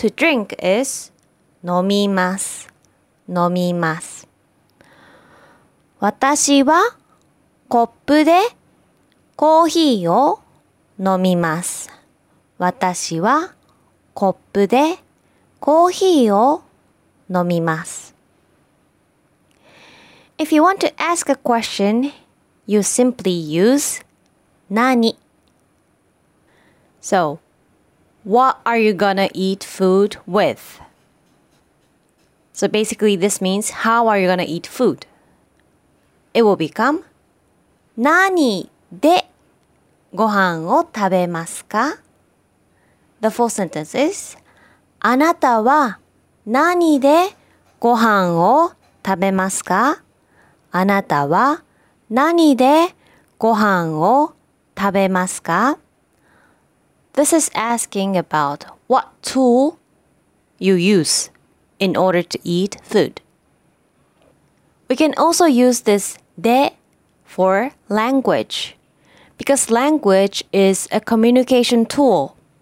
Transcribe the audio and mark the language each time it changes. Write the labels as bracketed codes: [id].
[en] To drink is [ja] 飲みます、飲みます。私はコップでコーヒーを飲みます。私はコップでコーヒーを飲みます。 [en] If you want to ask a question, you simply use 何? So, what are you gonna eat food with? So basically this means how are you gonna eat food? It will become [ja] 何でご飯を食べますか? [en] The full sentence is [ja] あなたは何でご飯を食べますか? あなたは何でご飯を食べますか? [en] This is asking about what tool you use in order to eat food. We can also use this で for language, because language is a communication tool.